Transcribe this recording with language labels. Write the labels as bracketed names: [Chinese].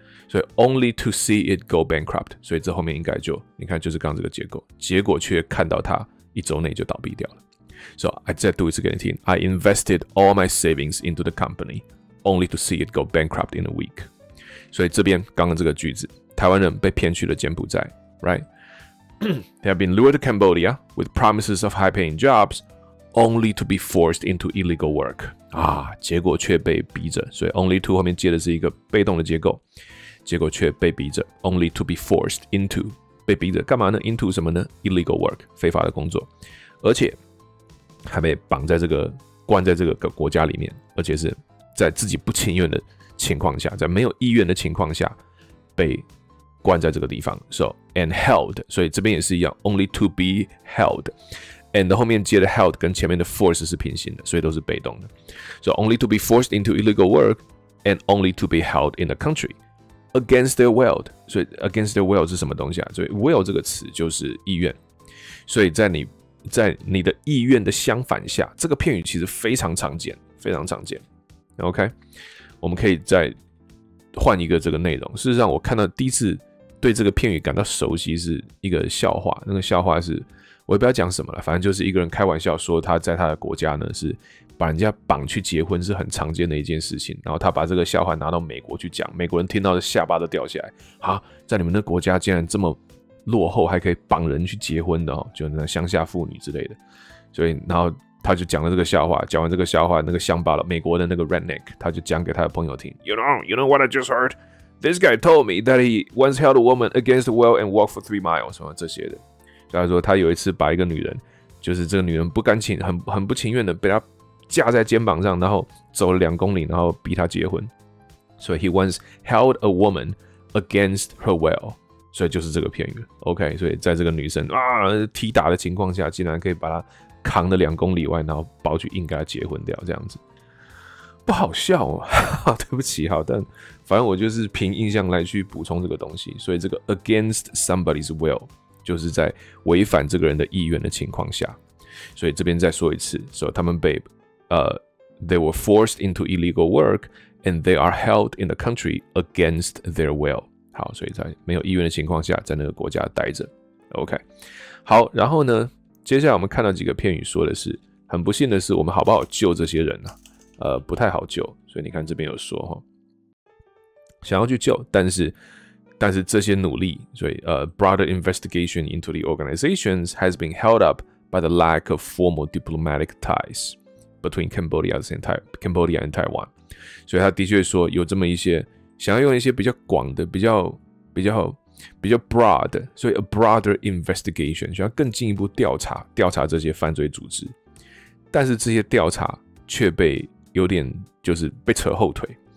[Chinese] 所以 [English] only to see it go bankrupt， [Chinese] 所以这后面应该就你看就是刚这个结构，结果却看到它一周内就倒闭掉了。 [English] So I [Chinese] 再读一次给你听 [English] ，I invested all my savings into the company only to see it go bankrupt in a week。 [Chinese] 所以这边刚刚这个句子，台湾人被骗去了柬埔寨 ，right？ [English] They have been lured to Cambodia with promises of high-paying jobs only to be forced into illegal work。 [Chinese] 啊，结果却被逼着，所以 [English] only to [Chinese] 后面接的是一个被动的结构。结果却被逼着 ， [English] only to be forced into， [Chinese] 被逼着干嘛呢 ？ [English] into [Chinese] 什么呢 ？ [English] illegal work， [Chinese] 非法的工作，而且还被绑在这个、关在这个国家里面，而且是在自己不情愿的情况下，在没有意愿的情况下被关在这个地方。 [English] So and held， [Chinese] 所以这边也是一样 [English] ，only to be held。 [Chinese] And 后面接的 held 跟前面的 force 是平行的，所以都是被动的。 [English] So only to be forced into illegal work and only to be held in the country。 Against their will， 所以 against their will [Chinese] 是什么东西啊？所以 will 这个词就是意愿，所以在你的意愿的相反下，这个片语其实非常常见，非常常见。 OK， 我们可以再换一个这个内容。事实上，我看到第一次对这个片语感到熟悉是一个笑话，那个笑话是我也不要讲什么了，反正就是一个人开玩笑说他在他的国家呢是。把人家绑去结婚是很常见的一件事情，然后他把这个笑话拿到美国去讲，美国人听到的下巴都掉下来。啊，在你们的国家竟然这么落后，还可以绑人去结婚的哦，就那乡下妇女之类的。所以，然后他就讲了这个笑话，讲完这个笑话，那个乡巴佬，美国的那个 redneck， 他就讲给他的朋友听。 [English] You know what I just heard? This guy told me that he once held a woman against the will and walked for 3 miles [Chinese] 什么这些的。他说他有一次把一个女人，就是这个女人不甘情，很不情愿的被他。架在肩膀上，然后走了2公里，然后逼他结婚。 [English] 所以 he once held a woman against her will， [Chinese] 所以就是这个片语。 OK， 所以在这个女生啊踢打的情况下，竟然可以把她扛了2公里外，然后跑去硬跟她结婚掉，这样子不好笑啊。对不起，好，但反正我就是凭印象来去补充这个东西。所以这个 [English] against somebody's will [Chinese] 就是在违反这个人的意愿的情况下。所以这边再说一次，说他们被 [English] they were forced into illegal work and they are held in the country against their will. [Chinese] 好，所以在没有意愿的情况下在那个国家待着。 OK。好，然后呢接下来我们看到几个片语，说的是很不幸的是我们好不好救这些人啊，不太好救。所以你看这边有说齁。想要去救，但是这些努力，所以 [English] broader investigation into the organizations has been held up by the lack of formal diplomatic ties. Between Cambodia and Taiwan， [Chinese] 所以他的确说有这么一些想要用一些比较广的、比较 broad， 所以 [English] a broader investigation， [Chinese] 想要更进一步调查这些犯罪组织，但是这些调查却被有点就是被扯后腿。